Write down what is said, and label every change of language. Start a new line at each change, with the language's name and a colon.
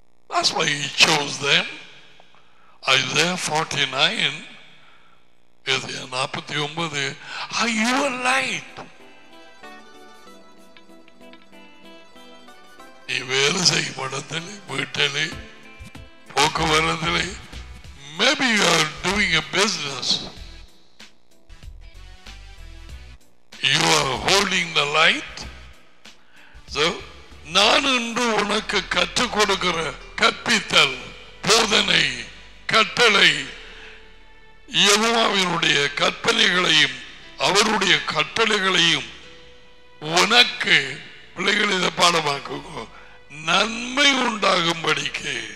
English: That's why he chose them. Isaiah 49 is in 49. Are you a light?
Tamil: நீ வேலை செய்யும் இடத்துல, வீட்டில, போக்குவரத்துல,
English: maybe you are doing a business. You are holding the light.
Tamil: So, நான் இன்று உனக்கு கற்றுக் கொடுக்கிற கற்பித்தல், போதனை, கட்டளை, யெகோவாவினுடைய கற்பனைகளையும் அவருடைய கட்டளைகளையும் உனக்கு பிள்ளைகள் இதை பாடமாக்குவோம், நன்மை உண்டாகும்படிக்கு